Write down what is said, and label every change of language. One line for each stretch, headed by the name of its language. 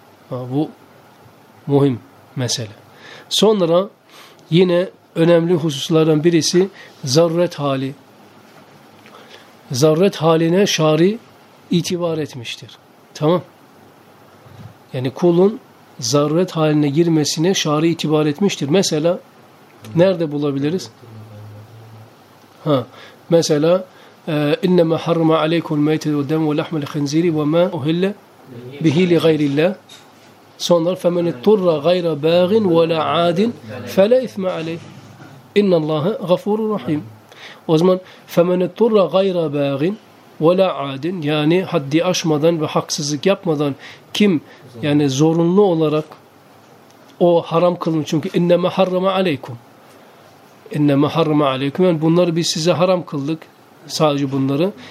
Turkish: Bu muhim mesele. Sonra yine önemli hususlardan birisi zaruret hali. Zaruret haline şari itibar etmiştir. Tamam. Yani kulun zaruret haline girmesine şari itibar etmiştir. Mesela nerede bulabiliriz?
Arabic: Mesela اِنَّمَا حَرَّمَ عَلَيْكُمُ الْمَيْتَةَ وَالدَّمَ وَلَحْمَ الْخِنْزِيرِ وَمَا اُهِلَّ بِهِ لِغَيْرِ اللّٰهِ.
Turkish: Sonra
Arabic: فَمَنْ اِطُّرَّ غَيْرَ بَاغٍ وَلَا عَادٍ فَلَا اِثْمَ عَلَيْهِ اِنَّ اللّٰهَ غَفُورٌ رَحِيمٌ.
Turkish: O zaman
Arabic: فَمَنْ اِطُّرَّ غَيْرَ بَاغٍ وَلَا عَادٍ,
Turkish: yani haddi aşmadan ve haksızlık yapmadan kim, yani zorunlu olarak o haram kılmış, çünkü
Arabic: اِنَّمَا حَرَّمَ عَلَيْكُمْ اِنَّمَا حَرَّمَ عَلَيْكُمْ,
Turkish: yani bunları biz size haram kıldık, sadece bunları.